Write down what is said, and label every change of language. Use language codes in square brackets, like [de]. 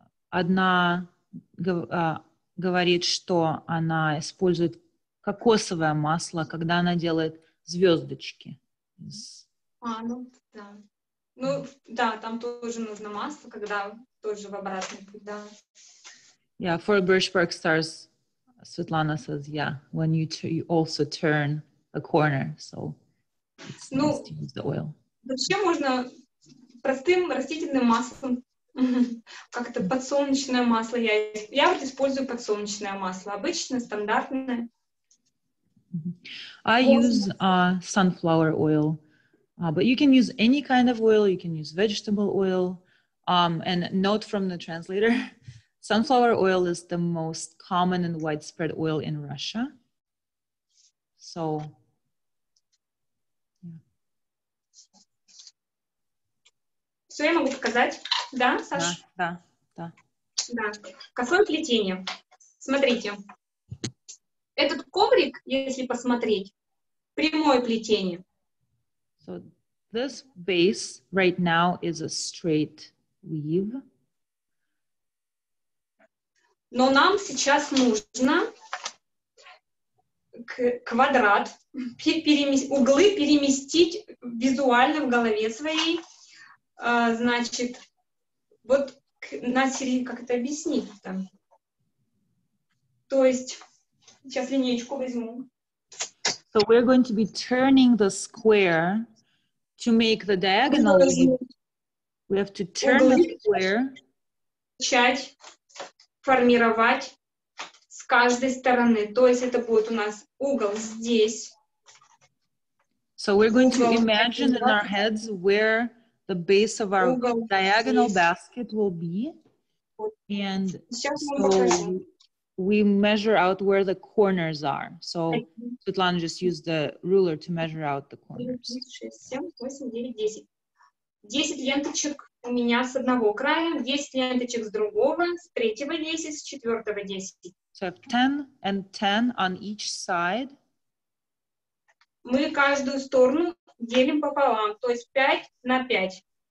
[ru] Одна говорит, что она использует кокосовое масло, когда она делает звездочки. Да, там тоже нужно масло, когда тоже в обратный путь, да. [en] Yeah, for birch bark stars, Svetlana says, yeah, when you also turn a corner, so [ru] Ну, [en] the oil. [ru] Вообще можно простым растительным маслом. Как-то подсолнечное масло. Я вот использую подсолнечное масло. Обычное, стандартное. [en] I use sunflower oil. But you can use any kind of oil. You can use vegetable oil. And note from the translator, sunflower oil is the most common and widespread oil in Russia. So, yeah. [ru] Все, я могу показать? Да, Саша? Да, да, да. Косое плетение. Смотрите. Этот коврик, если посмотреть, прямое плетение. [en] So, this base right now is a straight weave. [ru] Но нам сейчас нужно квадрат, углы переместить визуально в голове своей. Значит, вот на середине, как это объяснить там? То есть, сейчас линеечку возьму. [en] So we're going to be turning the square to make the diagonal. We have to turn the square. [ru] Формировать с каждой стороны. То есть это будет у нас угол здесь. [en] So we're going to imagine in our heads where the base of our diagonal [ru] здесь. [en] Basket will be. And so we measure out where the corners are. So Светлана just used the ruler to measure out the corners. [ru] 10 ленточек у меня с одного края, 10 ленточек с другого, с третьего 10, с четвертого 10. [en] So 10 and 10 on each side. [ru] Мы каждую сторону делим пополам, то есть 5 на 5.